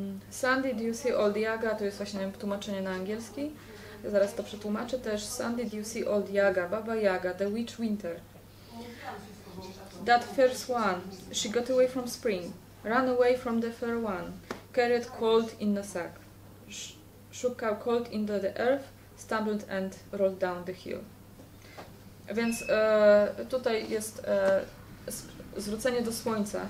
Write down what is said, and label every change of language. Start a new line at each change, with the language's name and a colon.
English: Sandy, do you see old Yaga?
Polish: To jest właśnie tłumaczenie na angielski. Ja zaraz to przetłumaczę też.
English: Sandy, do you see old Yaga? Baba Yaga, the witch winter. That first one, she got away from spring. Ran away from the fair one. Carried cold in the sack. Shook out cold into the earth. Stumbled and rolled down the hill.
Polish: Więc tutaj jest zwrócenie do słońca.